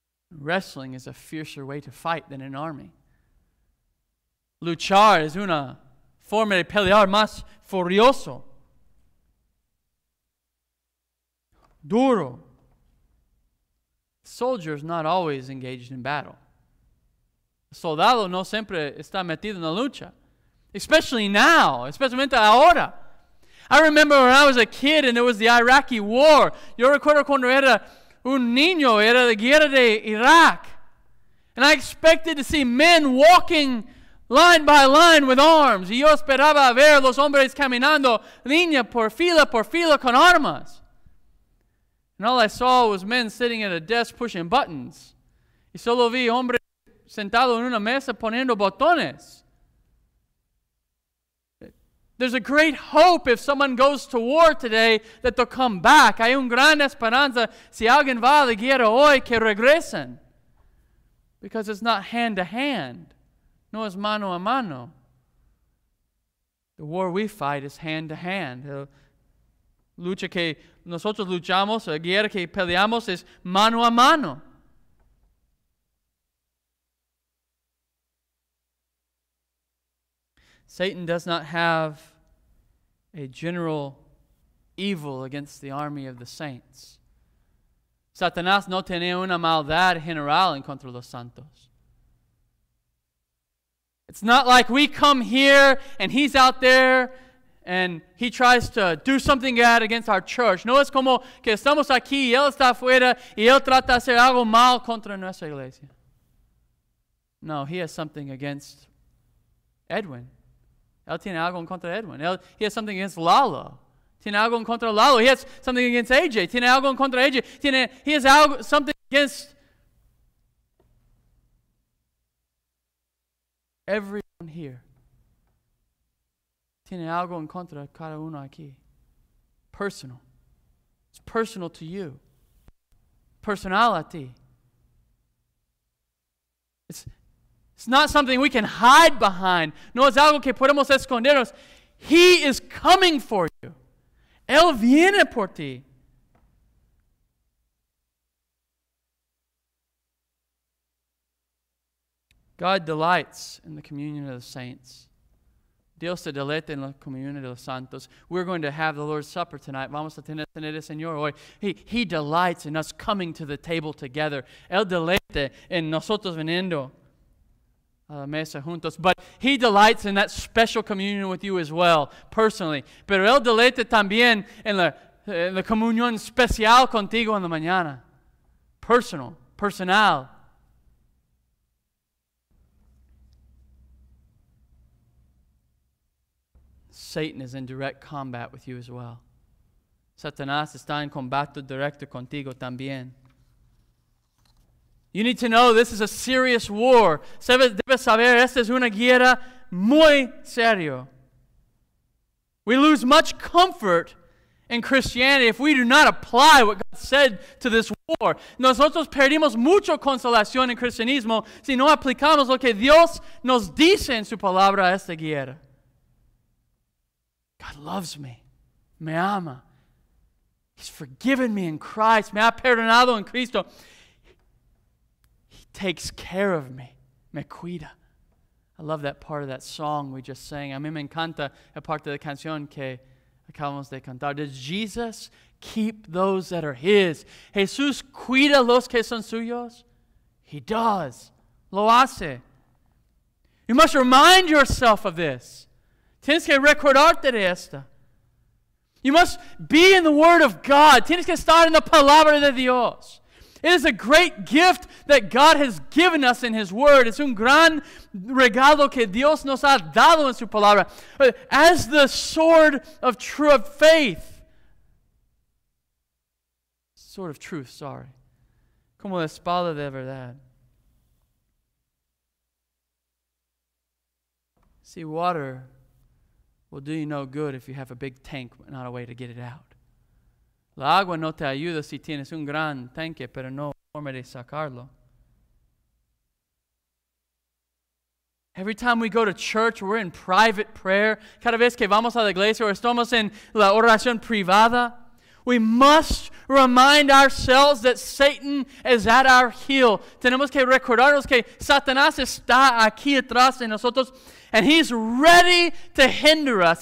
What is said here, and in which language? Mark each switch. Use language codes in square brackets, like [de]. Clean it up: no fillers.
[en] Wrestling is a fiercer way to fight than an army. [es] Luchar es una forma de pelear más furioso. [en] Duro. soldier is not always engaged in battle. [es] Soldado no siempre está metido en la lucha. [en] Especially now. [es] Especialmente ahora. [en] I remember when I was a kid and it was the Iraqi war. [es] Yo recuerdo cuando era un niño, era la guerra de Iraq. [en] And I expected to see men walking line by line with arms. [es] Y yo esperaba ver los hombres caminando línea por fila con armas. [en] And all I saw was men sitting at a desk pushing buttons. [es] Y solo vi hombres sentado en una mesa poniendo botones. [en] There's a great hope if someone goes to war today that they'll come back. [es] Hay un gran esperanza si alguien va a la guerra hoy que regresen. [en] Because it's not hand to hand. [es] No es mano a mano. [en] The war we fight is hand to hand. [es] Lucha que nosotros luchamos, la guerra que peleamos es mano a mano. [en] Satan does not have a general evil against the army of the saints. [es] Satanás no tiene una maldad general en contra los santos. [en] It's not like we come here and he's out there and he tries to do something bad against our church. [es] No es como que estamos aquí y él está afuera y él trata de hacer algo mal contra nuestra iglesia. [en] No, he has something against Edwin. [es] Él tiene algo en contra de Edwin. [en] He has something against Lalo. [es] Tiene algo en contra de Lalo. [en] He has something against AJ. [es] Tiene algo en contra de AJ. [en] He has algo, something against everyone here. [es] Tiene algo en contra de cada uno aquí. [en] Personal. It's personal to you. [es] Personal a ti. [en] It's not something we can hide behind. [es] No es algo que podemos escondernos. [en] He is coming for you. [es] Él viene por ti. [en] God delights in the communion of the saints. [es] Dios se deleita en la comunión de los santos. [en] We're going to have the Lord's Supper tonight. [es] Vamos a tener la cena del Señor hoy. [en] He delights in us coming to the table together. [es] Él deleita en nosotros viniendo a la mesa juntos. [en] But he delights in that special communion with you as well, personally. [es] Pero él deleita también en la comunión especial contigo en la mañana. [en] Personal. Personal. Satan is in direct combat with you as well. [es] Satanás está en combate directo contigo también. [en] You need to know this is a serious war. [es] Debes saber, esta es una guerra muy serio. [en] We lose much comfort in Christianity if we do not apply what God said to this war. [es] Nosotros perdimos mucho consolación en cristianismo si no aplicamos lo que Dios nos dice en su palabra a esta guerra. [en] God loves me. [es] Me ama. [en] He's forgiven me in Christ. [es] Me ha perdonado en Cristo. [en] Takes care of me. [es] Me cuida. [en] I love that part of that song we just sang. [es] A mí me encanta la parte de la canción que acabamos de cantar. [en] Does Jesus keep those that are His? [es] Jesús cuida los que son suyos? [en] He does. [es] Lo hace. [en] You must remind yourself of this. [es] Tienes que recordarte de esta. [en] You must be in the Word of God. [es] Tienes que estar en la Palabra de Dios. [en] It is a great gift that God has given us in His Word. [es] It's un gran regalo que Dios nos ha dado en su palabra. [en] As the sword of true of faith. Sword of truth, sorry. [es] Como la espada de verdad. [en] See, water will do you no good if you have a big tank, but not a way to get it out. [es] La agua no te ayuda si tienes un gran tanque, pero no forma de sacarlo. [en] Every time we go to church, we're in private prayer. [es] Cada vez que vamos a la iglesia o estamos en la oración privada, [en] we must remind ourselves that Satan is at our heel. [es] Tenemos que recordarnos que Satanás está aquí atrás de nosotros [en] and he's ready to hinder us.